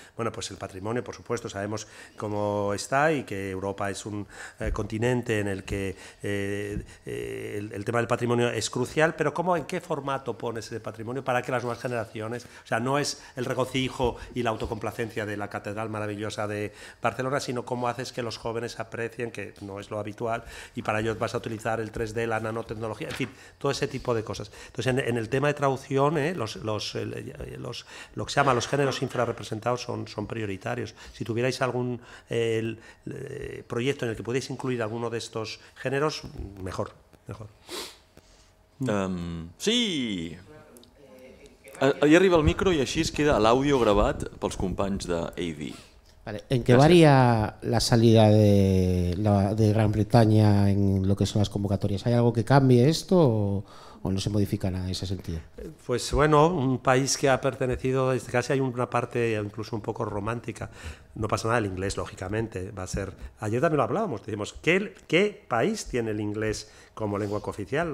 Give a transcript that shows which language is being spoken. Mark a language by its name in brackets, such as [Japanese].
[Spanish] Bueno, pues el patrimonio, por supuesto, sabemos cómo está y que Europa es un continente en el que el tema del patrimonio es crucial, pero ¿cómo, en qué formato pones ese patrimonio para que las nuevas generaciones, o sea, no es el regocijo y la autocomplacencia de la Catedral Maravillosa de Barcelona, sino cómo haces que los jóvenes aprecien, que no es lo habitual, y para ello vas a utilizar el 3D, la nanotecnología, en fin, todo ese tipo de cosas. Entonces, en el tema de traducción, lo que se llama los géneros infrarrepresentados son prioritarios. Si tuvierais algún proyecto en el que pudierais incluir alguno de estos géneros, mejor. Mejor. Sí. Allí arriba el micro y [Catalan] així es queda l'àudio gravat pels companys de AV. [Spanish] Vale. ¿En qué varía la salida de Gran Bretaña en lo que son las convocatorias? ¿Hay algo que cambie esto o no se modifica nada en ese sentido? Pues bueno, un país que ha pertenecido, casi hay una parte incluso un poco romántica, no pasa nada, el inglés lógicamente va a ser, ayer también lo hablábamos, decimos, ¿qué país tiene el inglés como lengua cooficial?